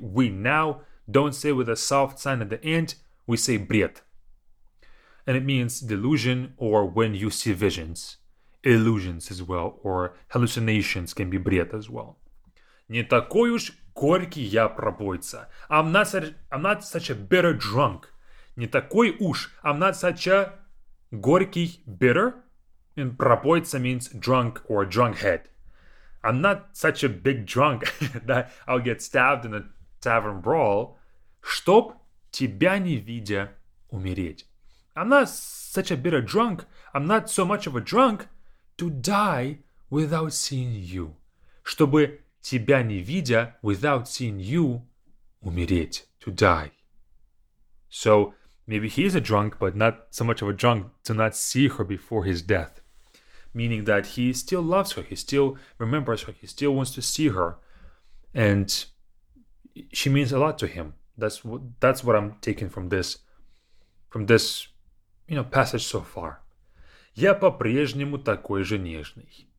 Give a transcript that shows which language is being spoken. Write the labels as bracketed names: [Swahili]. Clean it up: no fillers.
[English] We now don't say with a soft sign at the end, we say бред. And it means delusion or when you see visions. Illusions as well, or hallucinations can be бред as well. [Russian] Не такой уж горький я пробойца. [English] I'm not such a bitter drunk. [Russian] Не такой уж. [English] I'm not such a горький bitter. And пробойца means drunk or drunk head. I'm not such a big drunk that I'll get stabbed in a tavern brawl. [Russian] Чтоб тебя не видя умереть. [English] I'm not such a bitter drunk. I'm not so much of a drunk to die without seeing you. [Russian] Чтобы тебя не видя, [English] without seeing you, [Russian] умереть, [English] to die. So, maybe he is a drunk, but not so much of a drunk to not see her before his death. Meaning that he still loves her, he still remembers her, he still wants to see her. And she means a lot to him. That's what I'm taking from this, you know, passage so far. [Russian] Я по-прежнему такой же нежный.